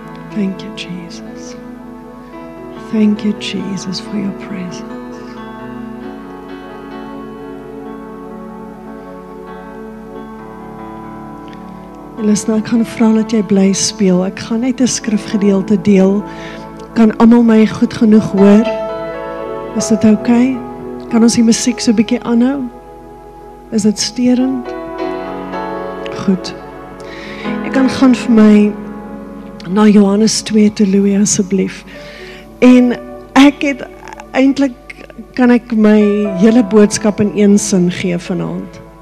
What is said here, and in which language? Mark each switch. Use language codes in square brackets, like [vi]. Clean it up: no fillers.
[en] Thank you, Jesus. Thank you, Jesus, for your presence. [af] En listen, ek gaan vra dat jy bly speel. Ek gaan net 'n skrifgedeelte deel. Kan almal my goed genoeg hoor? Is dit okay? Kan ons die musiek so 'n bietjie aanhou? Is dit storend? Goed. Ek kan gaan vir my na Johannes 2 te Louis asseblief. En ek het eintlik, kan ek my hele boodskap in een sin gee vanavond.